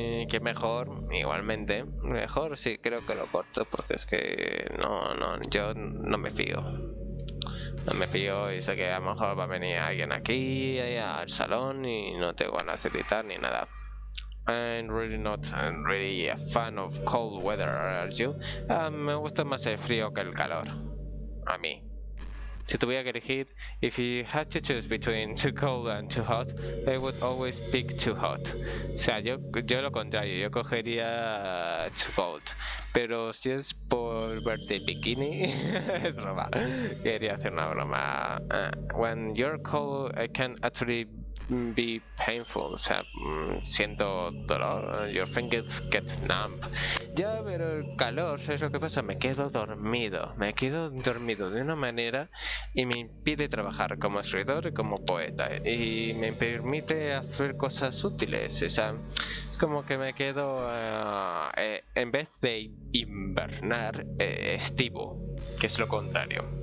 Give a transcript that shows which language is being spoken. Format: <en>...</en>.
<es>Que mejor, igualmente, mejor sí, creo que lo corto, porque es que no, yo no me fío. No me fío y sé que a lo mejor va a venir alguien aquí, allá, al salón, y no te van a necesitar ni nada.</es> <en>I'm really a fan of cold weather, are you?</en> <es>Me gusta más el frío que el calor, a mí. Si tuviera que elegir,</es> <en>if you had to choose between too cold and too hot, I would always pick too hot.</en> <es>O sea, yo lo contrario, yo cogería</es> <en>too cold.</en> <es>Pero si es por verte bikini, es broma. Quería hacer una broma.</es> <en>When you're cold, I can actually be painful.</en> <es>O sea, siento dolor.</es> <en>Your fingers get numb.</en> <es>Ya, pero el calor, ¿sabes lo que pasa? Me quedo dormido. Me quedo dormido de una manera y me impide trabajar como escritor y como poeta. Y me permite hacer cosas útiles. O sea, es como que me quedo en vez de invernar, estivo, que es lo contrario.</es>